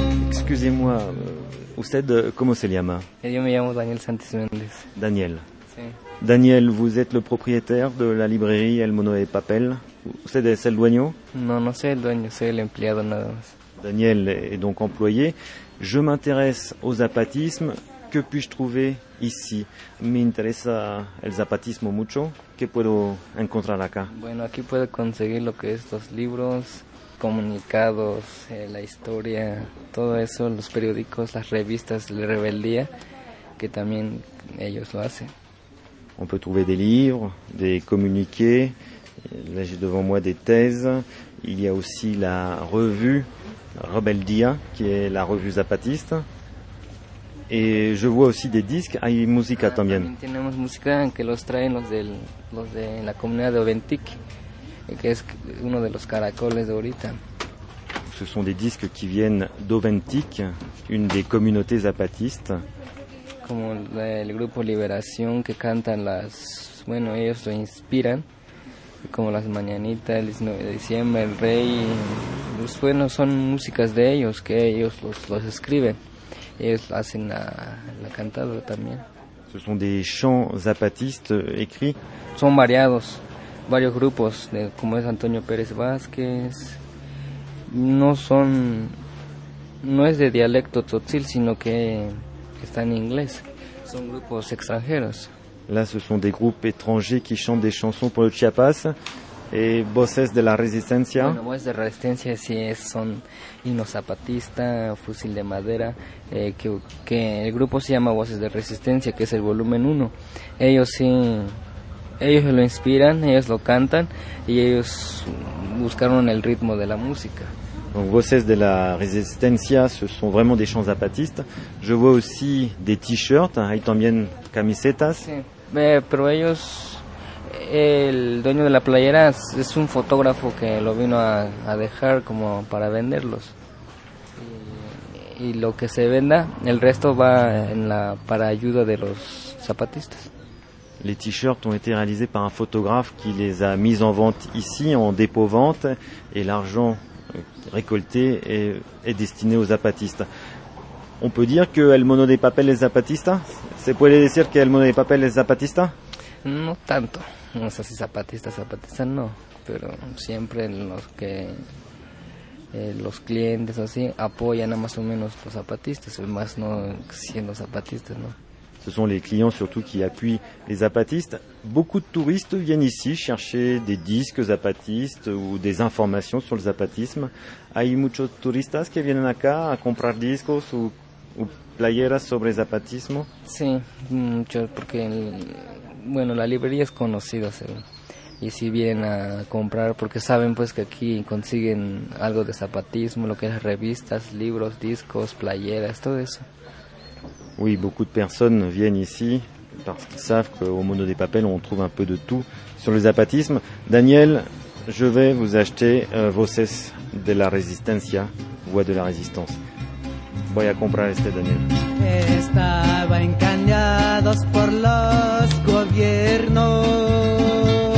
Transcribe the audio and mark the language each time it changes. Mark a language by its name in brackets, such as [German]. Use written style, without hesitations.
[French] Excusez-moi, [Spanish] usted, ¿cómo se llama? Yo me llamo Daniel Santos Méndez. Daniel. [French] Daniel, vous êtes le propriétaire de la librairie El Mono de Papel. C'est le dueño? Non, non, c'est le dueño, c'est l' [Spanish] empleado nada más. [French] Daniel est donc employé. Je m'intéresse au zapatisme. Que puis-je trouver ici? [Spanish] Me interesa el zapatismo mucho. ¿Qué puedo encontrar acá? Bueno, aquí puedo conseguir lo que es los libros, comunicados, la historia, todo eso, los periódicos, las revistas, la rebeldía, que también ellos lo hacen. [French] On peut trouver des livres, des communiqués, là j'ai devant moi des thèses, il y a aussi la revue Rebeldía, qui est la revue zapatiste, et je vois aussi des disques, [Spanish] hay música también. También tenemos música que los traen los de la comunidad de Oventic, que es uno de los caracoles de ahorita. [French] Ce sont des disques qui viennent d'Oventic, une des communautés zapatistes. [Spanish] Como el grupo Liberación que cantan las, bueno, ellos lo inspiran, como las Mañanitas, el 19 de diciembre, el Rey, pues bueno, son músicas de ellos, que ellos los escriben, ellos hacen la cantada también. [French] Ce sont des chants zapatistes écrits. [Spanish] Son variados, varios grupos, como es Antonio Pérez Vázquez, no son, no es de dialecto tzotzil, sino que... Está en inglés. Son grupos extranjeros. [French] Là, ce sont des groupes étrangers qui chantent des chansons pour le Chiapas et Voces de la Resistencia. [Spanish] Bueno, Voces de la Resistencia, sí, son Hino Zapatista, Fusil de Madera, que el grupo se llama Voces de Resistencia, que es el volumen 1. Ellos sí, ellos lo inspiran, ellos lo cantan y ellos buscaron el ritmo de la música. [French] Donc, Voces de la Resistencia, ce sont vraiment des chants zapatistes. Je vois aussi des t-shirts, [Spanish] hay también camisetas. Sí, pero ellos, el dueño de la playera es un fotógrafo que lo vino a dejar como para venderlos. Y lo que se venda, el resto va en la, para ayuda de los zapatistas. [French] Les t-shirts ont été réalisés par un photographe qui les a mis en vente ici, en dépôt-vente, et l'argent récolté est destiné aux zapatistes. On peut dire que El Mono de Papel [Spanish] es zapatista? ¿Se puede decir que El Mono de Papel es zapatista? No tanto. No sé si zapatista, zapatista no. Pero siempre los que los clientes así apoyan a más o menos los zapatistas, más no siendo zapatistas, ¿no? [French] Ce sont les clients surtout qui appuient les zapatistes. Beaucoup de touristes viennent ici chercher des disques zapatistes ou des informations sur le zapatisme. [Spanish] Hay muchos turistas que vienen acá a comprar discos o playeras sobre zapatismo. Sí, mucho, porque bueno, la librería es conocida, ¿sí? Y si vienen a comprar porque saben pues que aquí consiguen algo de zapatismo, lo que es revistas, libros, discos, playeras, todo eso. [French] Oui, beaucoup de personnes viennent ici parce qu'ils savent qu'au Mono de Papel, on trouve un peu de tout sur le zapatisme. Daniel, je vais vous acheter Voces de la Resistencia, Voix de la Résistance. [Spanish] Voy a comprar este, Daniel. Estaba engañados por los gobiernos.